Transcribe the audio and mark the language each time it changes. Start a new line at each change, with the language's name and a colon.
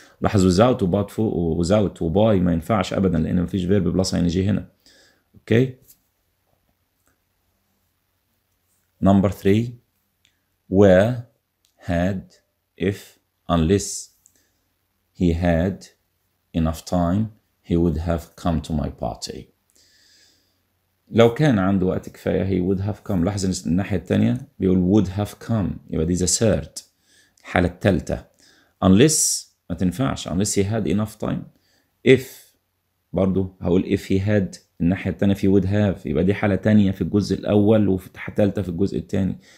Arabic: لاحظ without وبات فوق، without وباي ما ينفعش ابدا لان ما فيش فيرب بلس ان جي هنا.
English: Okay number 3، where had if unless he had enough time he would have come to my party.
Arabic: لو كان عنده وقت كفايه
English: he would have come.
Arabic: لاحظ الناحيه الثانيه بيقول
English: would have come،
Arabic: يبقى دي ذا ثيرد، الحاله الثالثه.
English: unless
Arabic: ما تنفعش،
English: unless he had enough time.
Arabic: if برضو هقول
English: if he had،
Arabic: الناحيه الثانيه في would have، يبقى دي حاله ثانيه في الجزء الاول وفي ثالثه في الجزء الثاني.